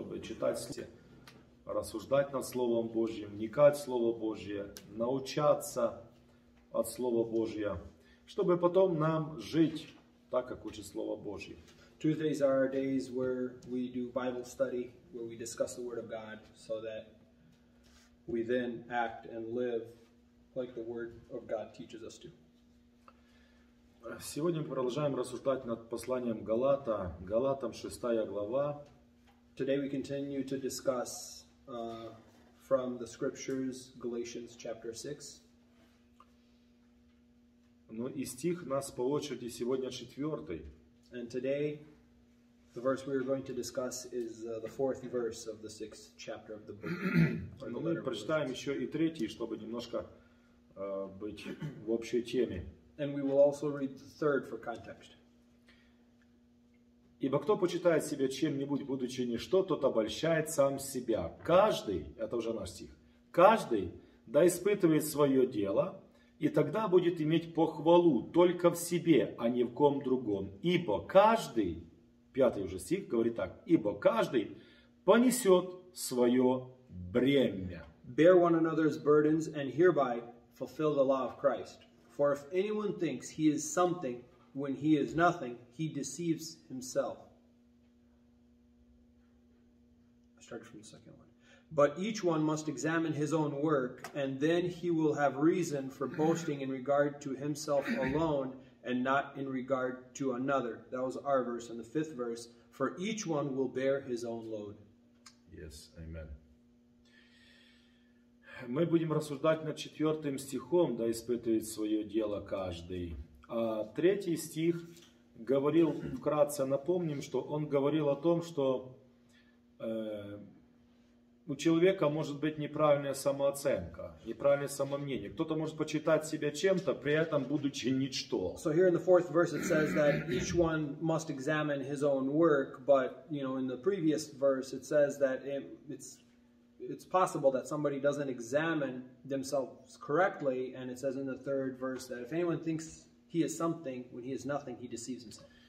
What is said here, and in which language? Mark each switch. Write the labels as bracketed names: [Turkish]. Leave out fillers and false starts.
[Russian] читать, рассуждать над Словом Божьим, вникать в Слово Божье, научаться от Слова Божьего, чтобы потом нам жить так, как учит Слово Божье. [English] Tuesdays are days where we do Bible study, where we discuss the Word of God, so that we then act and live like the Word of God teaches us to. [Russian] Сегодня мы продолжаем рассуждать над посланием Галата, Галатам 6 глава. [English] Today we continue to discuss from the scriptures, Galatians chapter 6. [Russian] Ну и стих нас по очереди сегодня 4. [English] And today, the verse we are going to discuss is the fourth verse of the sixth chapter of the book. [Russian] Ну мы прочитаем еще и третий, чтобы немножко быть в общей теме. [English] And we will also read the third for context. [Russian] Ибо кто почитает себя чем-нибудь, будучи ничто, тот обольщает сам себя. Каждый, это уже наш стих, каждый да испытывает свое дело, и тогда будет иметь похвалу только в себе, а не в ком другом. Ибо каждый, пятый уже стих говорит так, ибо каждый понесет свое бремя. [English] Bear one another's burdens and hereby fulfill the law of Christ. For if anyone thinks he is something when he is nothing, he deceives himself. I started from the second one. But each one must examine his own work, and then he will have reason for boasting in regard to himself alone and not in regard to another. That was our verse. And the fifth verse, for each one will bear his own load. Yes, amen. [Russian] Мы будем рассуждать над четвертым стихом, да испытывает свое дело каждый. А третий стих говорил, вкратце напомним, что он говорил о том, что у человека может быть неправильная самооценка, неправильное самомнение. Кто-то может почитать себя чем-то, при этом будучи ничто. [English] So here in the fourth verse it says that each one must examine his own work, but you know, in the previous verse it says that it's possible that somebody doesn't examine themselves correctly, and it says in the third verse that if anyone thinks he is something when he is nothing, he deceives himself.